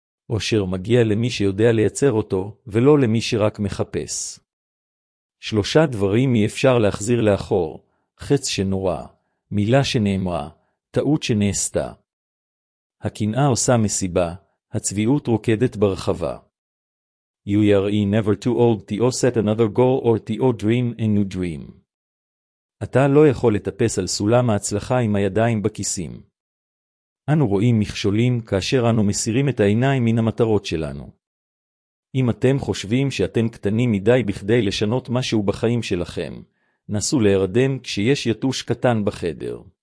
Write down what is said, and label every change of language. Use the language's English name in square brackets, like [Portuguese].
[Hebrew] אושר מגיע למי שיודע לייצר אותו, ולא למי שרק מחפש. שלושה דברים אי אפשר להחזיר לאחור, חץ שנורה, מילה שנאמרה, טעות שנעשתה. הקנאה עושה מסיבה, הצביעות רוקדת ברחבה. [English] You are never too old to set another goal or to dream a new dream. [Hebrew] אתה לא יכול לטפס על סולם ההצלחה עם הידיים בכיסים. אנו רואים מכשולים כאשר אנו מסירים את העיניים מן המטרות שלנו. אם אתם חושבים שאתם קטנים מדי בכדי לשנות משהו בחיים שלכם, נסו להירדם כשיש יתוש קטן בחדר.